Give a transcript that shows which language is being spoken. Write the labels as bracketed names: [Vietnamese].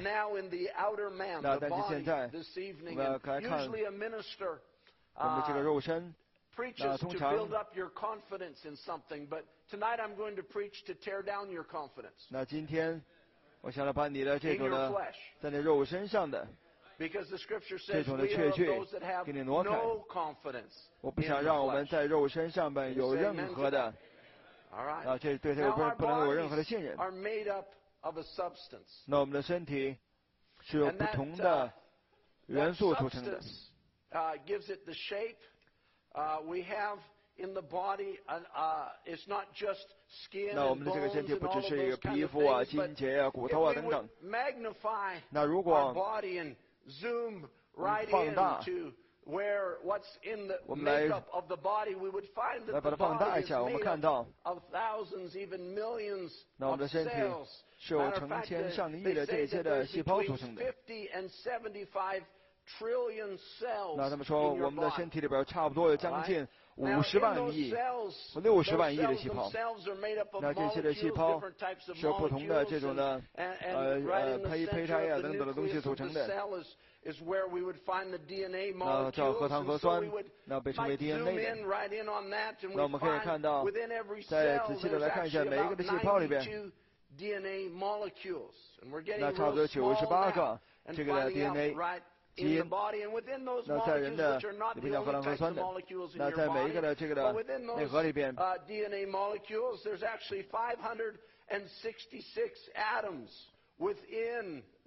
[Chinese] 那但是现在，我们来看，我们这个肉身。 [English] Preaches to build up your confidence in something, but tonight I'm going to preach to tear down your confidence. [Chinese] 那今天，我想来把你的这个呢，在你肉身上的， [English] Because the scripture says we are those that have no confidence in the flesh. [Chinese] 我不想让我们在肉身上面有任何的，啊，这对他不能有任何的信任。 [English] Are made up of a substance. [Chinese] 那我们的身体是由不同的元素组成的。 [English] Gives it the shape. We have in the body. It's not just skin. [Chinese] 那我们的这个身体不只是一个皮肤啊、筋节啊、骨头啊等等。 [English] Magnify. [Chinese] 那如果 [English] Zoom right into where what's in the makeup of the body, we would find that the body is made up of thousands, even millions of cells. Matter of fact, they say that there's 50 and 75 trillion cells. [Chinese] 那他们说我们的身体里边差不多有将近五十万亿、六十万亿的细胞。那这些的细胞是不同的这种的胚胎啊等等的东西组成的。 [English] Is where we would find the DNA molecules. [Chinese] 那叫核糖核酸，那被称为 DNA。 [English] Might zoom in right in on that, and we find within every cell there's actually about 92 DNA molecules, and we're getting real small now. [Chinese] 那差不多九十八个这个的 DNA 基因。那在人的里边叫核糖核酸的，那在每一个的这个的内核里边 [English] ，DNA molecules there's actually 566 atoms within.